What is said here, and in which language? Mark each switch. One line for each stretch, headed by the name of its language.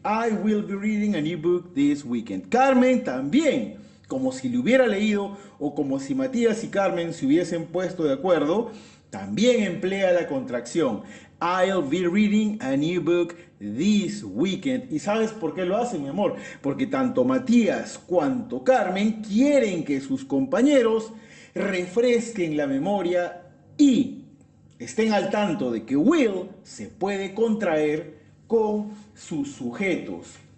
English: I will be reading a new book this weekend.
Spanish: Carmen también, como si le hubiera leído o como si Matías y Carmen se hubiesen puesto de acuerdo, también emplea la contracción.
English: I'll be reading a new book this weekend.
Spanish: ¿Y sabes por qué lo hacen, mi amor? Porque tanto Matías cuanto Carmen quieren que sus compañeros refresquen la memoria y estén al tanto de que will se puede contraer con sus sujetos.